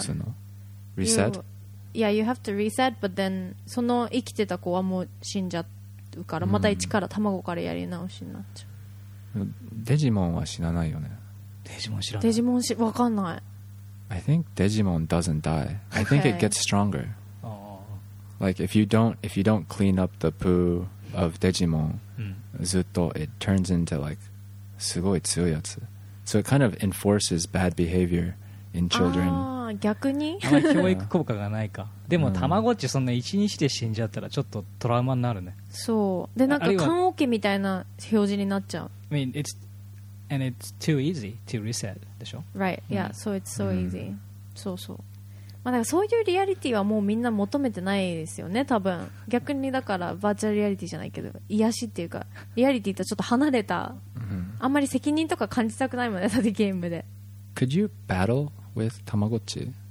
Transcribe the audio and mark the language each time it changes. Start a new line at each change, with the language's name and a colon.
Japanese: 死んだらどうすんの？Reset?
English: Yeah, you have to reset, but then
Japanese: その生きてた子はもう死んじゃうから、また一から卵からやり直しになっちゃう。デジモンは死なないよね。デジモン知らない。デジモン死、わかんない。
English: I think Digimon doesn't die. I think、okay. it gets stronger. Oh. Like if you don't clean up the poo of Digimon, zutto it turns into like
Japanese: すごい強いやつ.
English: So it kind of enforces bad behavior in children.
Japanese: Ah, 逆に。あまり教育効果がないか。でもたまごっちそんな一日で死んじゃったらちょっとトラウマになるね。そう。でなんか缶オケみたいな表示になっちゃう。
English: I mean it's and it's too easy to reset.
Japanese: でしょ?
English: Right, yeah, so it's so easy.、うん、そうそう。
Japanese: まあ、だからそういうリアリティはもうみんな求めてないですよね、多分。逆にだからバーチャルリアリティじゃないけど、癒しっていうか、リアリティとちょっと離れた、あんまり責任とか感じたくないもんね、だってゲームで。
English: Could you battle with Tamagotchi?